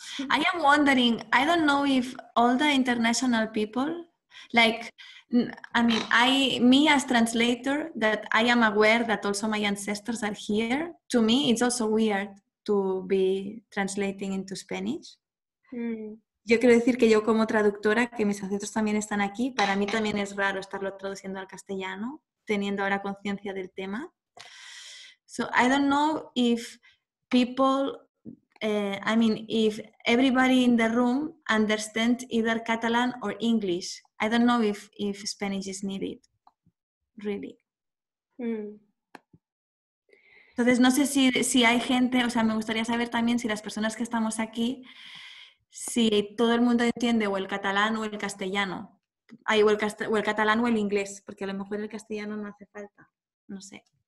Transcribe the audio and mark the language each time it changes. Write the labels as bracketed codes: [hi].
[en] I am wondering, I don't know if all the international people, like, I mean, me as translator, that I am aware that also my ancestors are here. To me, it's also weird to be translating into Spanish. Mm. [es] Yo quiero decir que yo como traductora, que mis ancestros también están aquí, para mí también es raro estarlo traduciendo al castellano, teniendo ahora conciencia del tema. [en] So I don't know if people, I mean, if everybody in the room understands either Catalan or English. I don't know if Spanish is needed, really. Mm. [es] Entonces, no sé si hay gente, o sea, me gustaría saber también si las personas que estamos aquí, si todo el mundo entiende o el catalán o el castellano, o el catalán o el inglés, porque a lo mejor el castellano no hace falta, no sé.